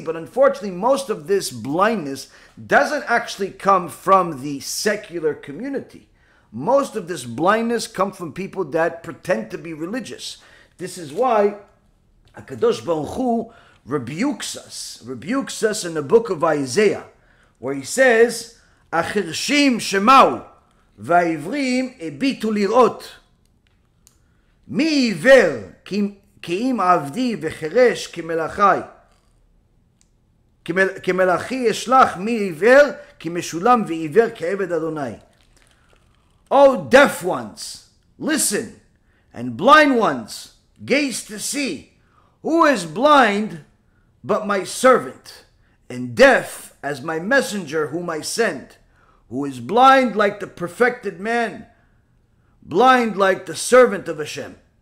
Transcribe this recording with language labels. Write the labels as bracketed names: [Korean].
[English] But unfortunately, most of this blindness doesn't actually come from the secular community. Most of this blindness comes from people that pretend to be religious. This is why HaKadosh Baruch Hu rebukes us in the book of Isaiah, where he says, [Hebrew] Achirshim Shemau. והעברים הביטו לראות מי עיוור כאם עבדי וחרש כמלאכי כמלאכי ישלח מי עיוור כמשולם ועיוור כעבד אדוני. [English] O deaf ones, listen, and blind ones, gaze to see. Who is blind but my servant, and deaf as my messenger whom I sent? Who is blind like the perfected man, blind like the servant of Hashem.